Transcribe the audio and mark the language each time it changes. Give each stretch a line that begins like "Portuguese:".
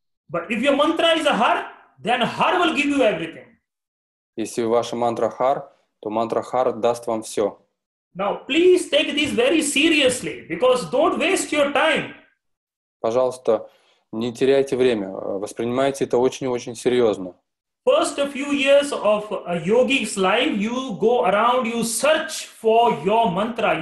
English: But if your mantra is a Har, then Har will give you everything.
Russian: Если ваша мантра Хар, то мантра Хар даст вам все.
English: Now, please take this very seriously, because don't waste your time.
Russian: Пожалуйста, не теряйте время. Воспринимайте это очень-очень серьезно.
English: First few years of a yogi's life, you go around, you search for your mantra.